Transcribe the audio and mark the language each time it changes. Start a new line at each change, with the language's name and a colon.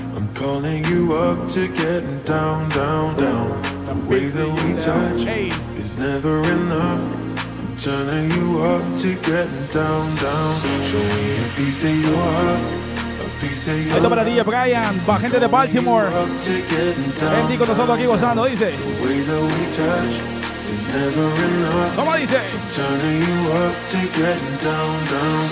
English: I'm calling you up to get down, down, down. The way that we touch is never enough. I'm turning you up to get down, down. Show me a piece of your heart. A piece of your love.
Spanish: Para DJ Brian, pa gente de Baltimore. Él dijo nosotros aquí gozando, dice.
English: The way that we touch is never enough.
Spanish: Como dice.
English: I'm turning you up to get down, down,